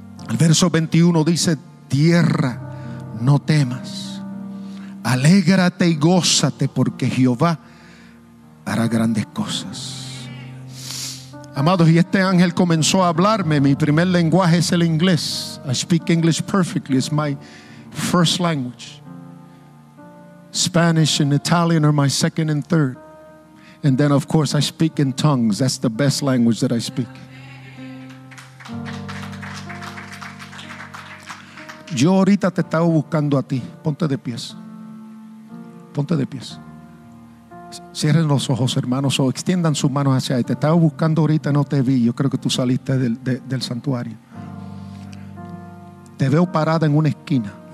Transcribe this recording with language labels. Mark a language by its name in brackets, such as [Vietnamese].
[Spanish] El verso 21 dice: tierra, no temas, alégrate y gózate, porque Jehová hará grandes cosas. Amados, y este ángel comenzó a hablarme. Mi primer lenguaje es el inglés. [English] I speak English perfectly. It's my first language. Spanish and Italian are my second and third. And then, of course, I speak in tongues. That's the best language that I speak. [Spanish] Yo ahorita te estaba buscando a ti. Ponte de pies. Ponte de pies. Cierren los ojos, hermanos, o extiendan sus manos hacia ahí. Te estaba buscando ahorita, no te vi. Yo creo que tú saliste del santuario. Te veo parada en una esquina.